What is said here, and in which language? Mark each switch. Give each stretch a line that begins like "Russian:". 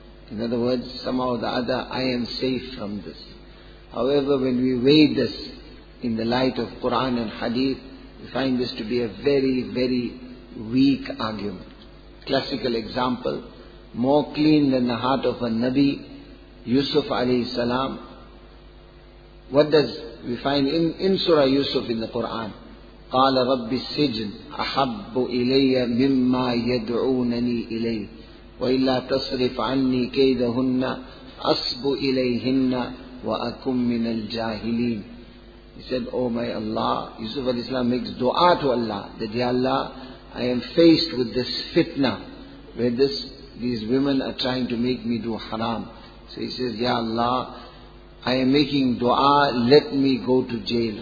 English: In other words, somehow or the other, I am safe from this. However, when we weigh this in the light of Quran and Hadith, we find this to be a very, very weak argument. Classical example, more clean than the heart of a Nabi, Yusuf alayhi salam. What does we find in Surah Yusuf in the Quran?
Arabic: قال رب السجن أحب إلي مما يدعونني إليه وإلا تصرف عني كيدهن أصب إليهن وأكم من الجاهلين.
English: He said, oh my Allah, Yusuf al-Islam makes dua to Allah, that Ya Allah, I am faced with this fitna, where these women are trying to make me do haram. So he says, Ya Allah, I am making dua, let me go to jail.